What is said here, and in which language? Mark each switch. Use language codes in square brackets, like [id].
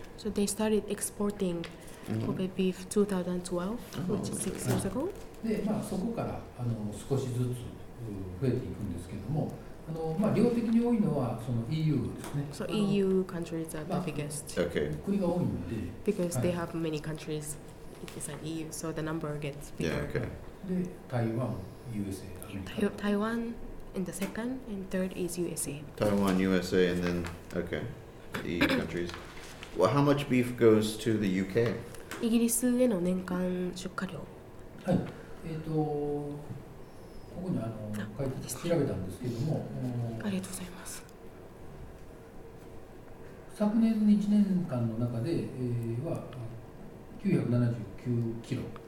[en] So they started exporting Kobe beef 2012, which is 6 years ago. [ja] で、まあ、そこから少しずつ増えていくんですけども、まあ、量的に多いのはその EU ですね。 [en] So EU countries are the biggest. Okay. [ja] 国が多いんで。 [en] Because they have many countries inside EU, so the number gets bigger. Yeah, okay. [ja] で、台湾、USA、アメリカ。 [en] 台湾 in the second and third is USA. Taiwan, USA, and then, okay, the EU countries. Well, how much beef goes to the UK? [ja] イギリスへの年間出荷量。はい。ここにあの書いて調べたんですけども、ありがとうございます。昨年の1年間の中で、は979キロ。